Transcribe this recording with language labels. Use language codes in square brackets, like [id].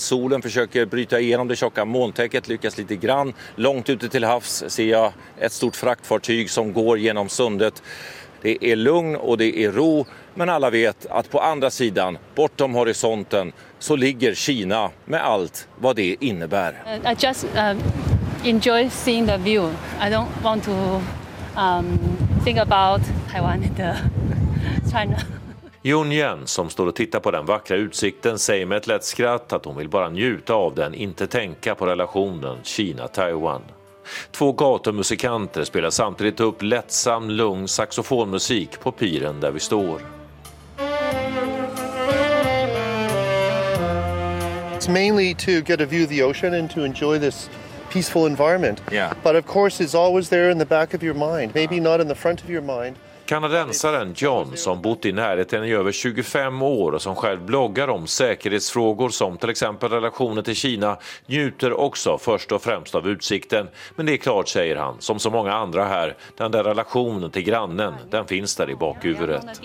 [sv] Solen försöker bryta igenom det tjocka molntäcket, lyckas lite grann. Långt ute till havs ser jag ett stort fraktfartyg som går genom sundet. Det är lugn och det är ro, men alla vet att på andra sidan, bortom horisonten, så ligger Kina med allt vad det innebär. [en] I just enjoy seeing the view. I don't want to think about Taiwan and China. [sv] Yun Yen, som står och tittar på den vackra utsikten, säger med ett lätt skratt att hon vill bara njuta av den, inte tänka på relationen Kina-Taiwan. 2 gatumusikanter spelar samtidigt upp lättsam, lugn saxofonmusik på piren där vi står. [en] It's mainly to get a view of the ocean and to enjoy this peaceful environment. Yeah. But of course it's always there in the back of your mind, maybe not in the front of your mind. [sv] Kanadensaren John, som bott i närheten i över 25 år och som själv bloggar om säkerhetsfrågor som till exempel relationer till Kina, njuter också först och främst av utsikten. Men det är klart, säger han, som så många andra här, den där relationen till grannen, den finns där i bakhuvudet.